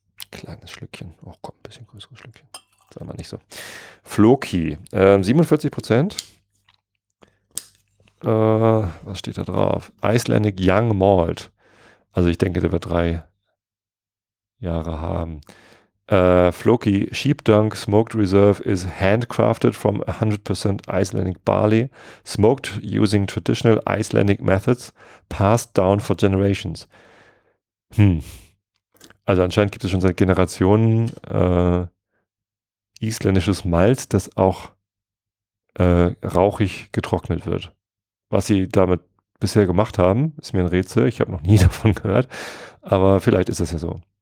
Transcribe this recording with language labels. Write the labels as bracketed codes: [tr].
[de] Kleines Schlückchen. Oh, komm, ein bisschen größeres Schlückchen. Sag mal nicht so. Floki, 47%. Was steht da drauf? Icelandic Young Malt. Also ich denke, der wird 3 Jahre haben. [en] Floki, Sheepdunk Smoked Reserve is handcrafted from 100% Icelandic barley, smoked using traditional Icelandic methods, passed down for generations. [de] Also anscheinend gibt es schon seit Generationen isländisches Malz, das auch rauchig getrocknet wird. Was sie damit bisher gemacht haben, ist mir ein Rätsel. Ich habe noch nie davon gehört. Aber vielleicht ist das ja so.